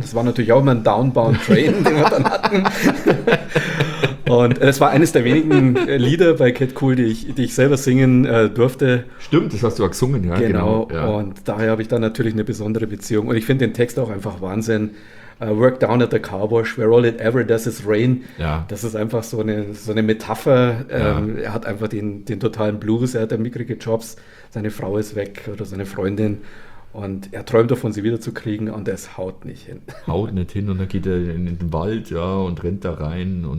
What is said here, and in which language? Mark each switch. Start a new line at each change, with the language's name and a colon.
German: Das war natürlich auch immer ein Downbound Train, den wir dann hatten. Und es war eines der wenigen Lieder bei Cat Cool, die ich selber singen durfte. Stimmt, das hast du auch gesungen. Ja. Genau, ja. Und daher habe ich da natürlich eine besondere Beziehung. Und ich finde den Text auch einfach Wahnsinn.
English: Work down at the car wash, where all it ever does is rain.
German: Ja. Das ist einfach so eine Metapher. Ja. Er hat einfach den totalen Blues, er hat mickrige Jobs. Seine Frau ist weg oder seine Freundin und er träumt davon, sie wiederzukriegen und es haut nicht hin. Haut nicht hin und dann geht er in den Wald, ja, und rennt da rein.